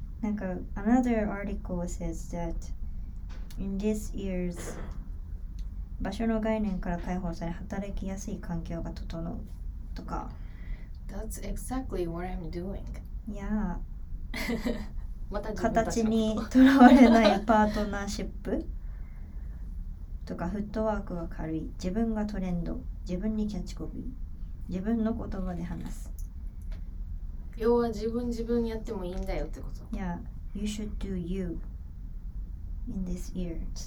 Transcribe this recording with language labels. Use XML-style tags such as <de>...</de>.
<en>なんか another article says that.In this year's</en> <ja>場所の概念から解放され働きやすい環境が整うとか。</ja> <en>That's exactly what I'm doing.</en> <ja>いやまた自分たちのこと。形にとらわれないパートナーシップとか、フットワークが軽い、自分がトレンド、自分にキャッチコピー、自分の言葉で話す。要は自分やってもいいんだよってこと。</ja> <en>Yeah, you should do you in this year.</en>